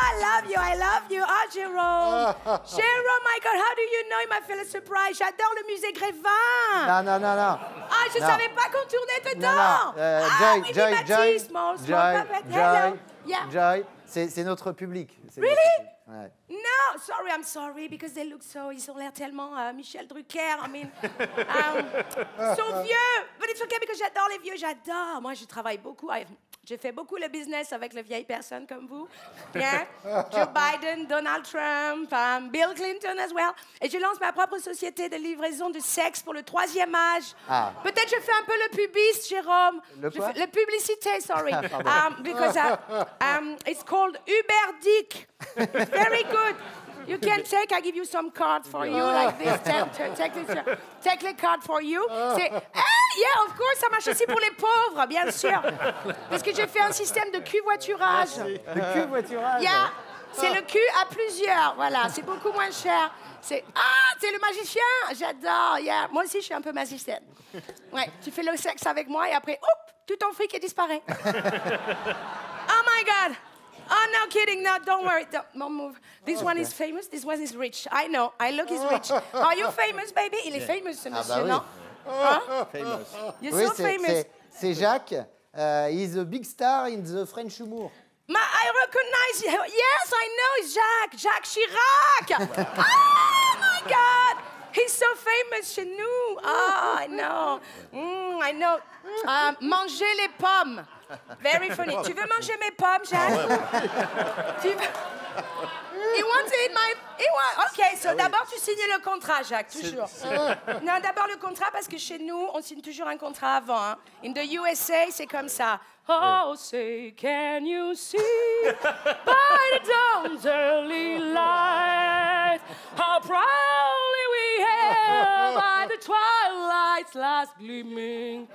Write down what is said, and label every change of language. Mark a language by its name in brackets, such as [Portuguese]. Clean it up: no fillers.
[English] Jérôme Michael, how do you know him? I feel a surprise. [French] J'adore le musée Grévin. Non. Ah, je savais pas qu'on tournait dedans. Non. Joy, c'est notre public. [English] Really? [French] Ouais. [English] No, sorry, I'm sorry, because they look so... [French] Ils ont l'air tellement Michel Drucker, [English] I mean... [French] ils sont vieux, [English] but it's okay, because [French] j'adore les vieux, j'adore. Moi, je travaille beaucoup, j'ai fait beaucoup le business avec les vieilles personnes comme vous. Bien, Joe Biden, Donald Trump, Bill Clinton [English] as well. [French] Et je lance ma propre société de livraison de sexe pour le troisième âge. Ah. Peut-être je fais un peu le pubiste, Jérôme. Le quoi? Le publicité, sorry. [English] Because it's called Uber Dick. Very good. You can take, I give you some cards for you, like this. Take the card for you. Yeah, of course, [French] ça marche aussi pour les pauvres, bien sûr. Parce que j'ai fait un système de covoiturage. De covoiturage? Yeah, c'est le cul à plusieurs, voilà. C'est beaucoup moins cher. C'est le magicien, j'adore, yeah. Moi aussi, je suis un peu magicienne. Ouais, tu fais le sexe avec moi et après, oup, tout ton fric est disparu. [English] Oh my God! Oh, no kidding, no, don't worry, don't move. This one is famous, this one is rich. I know, I look is rich. Are you famous, baby? [French] Il est famous, ce monsieur, oui. Non? [English] Famous. You're so famous. C'est Jacques, he's a big star in the French humour. I recognize you, yes, I know, it's Jacques, Jacques Chirac. Oh, my God, he's so famous [French] chez nous. [English] Oh, I know, I know. [French] Manger les pommes. [English] Very funny. [French] Tu veux manger mes pommes, Jacques? [English] He wants to eat my... Okay, so [French] d'abord tu signes le contrat, Jacques, toujours. Non, d'abord le contrat, parce que chez nous, on signe toujours un contrat avant. Hein. [English] In the USA, [French] c'est comme ça. [English] Oh, say, can you see by the dawn's early light how proudly we hail by the twilight's last gleaming.